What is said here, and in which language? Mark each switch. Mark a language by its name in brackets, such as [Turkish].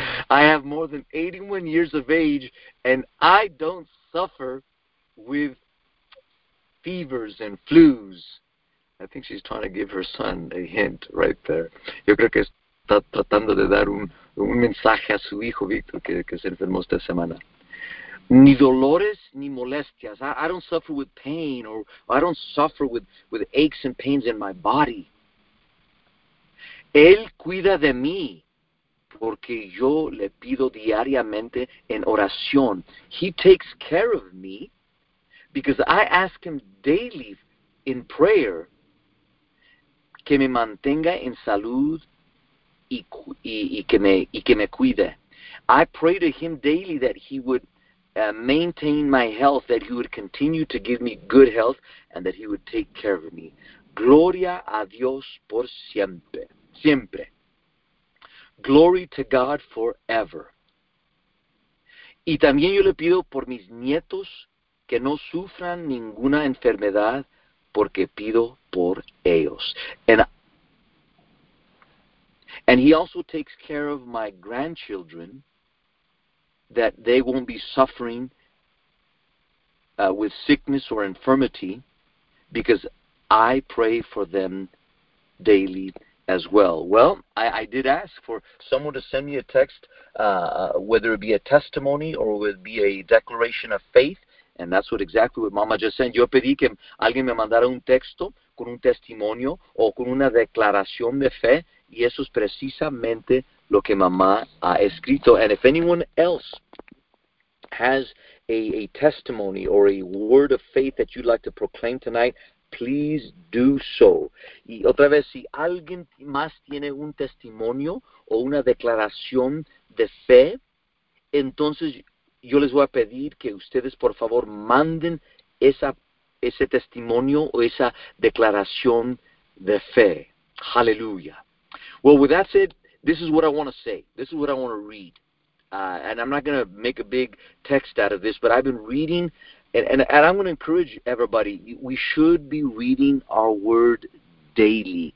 [English] I have more than 81 years of age and I don't suffer with fevers and flus. I think she's trying to give her son a hint right there. [Spanish] Yo creo que está tratando de dar un mensaje a su hijo, Víctor, que se enfermó esta semana. Ni dolores ni molestias. [English] I don't suffer with pain or I don't suffer with aches and pains in my body. [Spanish] Él cuida de mí porque yo le pido diariamente en oración. [English] He takes care of me because I ask him daily in prayer. [Spanish] Que me mantenga en salud y que me cuide. [English] I pray to him daily that he would maintain my health, that he would continue to give me good health, and that he would take care of me. [Spanish] Gloria a Dios por siempre. Siempre. [English] Glory to God forever. [Spanish] Y también yo le pido por mis nietos que no sufran ninguna enfermedad, porque pido por ellos. [English] And he also takes care of my grandchildren that they won't be suffering with sickness or infirmity because I pray for them daily as well. Well, I did ask for someone to send me a text, whether it be a testimony or would be a declaration of faith. And that's what exactly what Mama just said. [Spanish] Yo pedí que alguien me mandara un texto con un testimonio o con una declaración de fe. Y eso es precisamente lo que Mama ha escrito. [English] And if anyone else has a testimony or a word of faith that you'd like to proclaim tonight, please do so. [Spanish] Y otra vez, si alguien más tiene un testimonio o una declaración de fe, entonces yo les voy a pedir que ustedes, por favor, manden ese testimonio o esa declaración de fe. [English] Hallelujah. Well, with that said, this is what I want to say. This is what I want to read. And I'm not going to make a big text out of this, but I've been reading, and I'm going to encourage everybody, we should be reading our word daily.